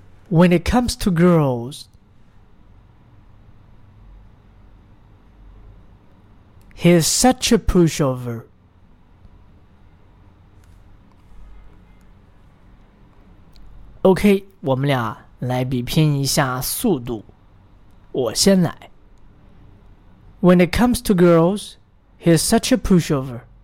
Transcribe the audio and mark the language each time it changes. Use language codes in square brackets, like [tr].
[en] When it comes to girls, he is such a pushover. OK, [zh] 我们俩来比拼一下速度。我先来。 [en] When it comes to girls, he is such a pushover.